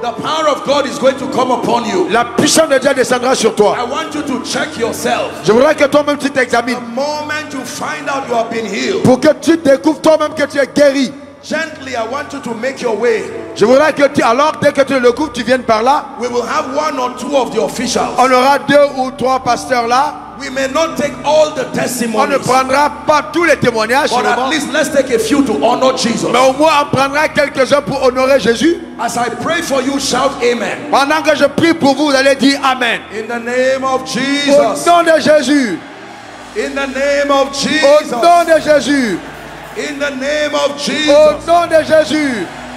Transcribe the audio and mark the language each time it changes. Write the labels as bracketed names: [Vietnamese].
[English] the power of God is going to come upon you. [French] La puissance de Dieu descendra sur toi. [English] I want you to check yourself. [French] Je voudrais que toi-même tu t'examines. [English] The moment you find out you have been healed, [French] pour que tu découvres toi-même que tu es guéri. [English] Gently, I want you to make your way. [French] Je voudrais que tu, alors dès que tu le coupes, tu viennes par là. [English] We will have one or two of the officials. [French] On aura deux ou trois pasteurs là. [English] We may not take all the testimonies. [French] On ne prendra pas tous les témoignages. [English] But at least let's take a few to honor Jesus. [French] Mais au moins on prendra quelques-uns pour honorer Jésus. [English] As I pray for you, shout amen. [French] Pendant que je prie pour vous, vous allez dire amen. [English] In the name of Jesus. [French] Au nom de Jésus. [English] In the name of Jesus. [French] Au nom de Jésus. [English] In the name of Jesus. [French] Au nom de Jésus.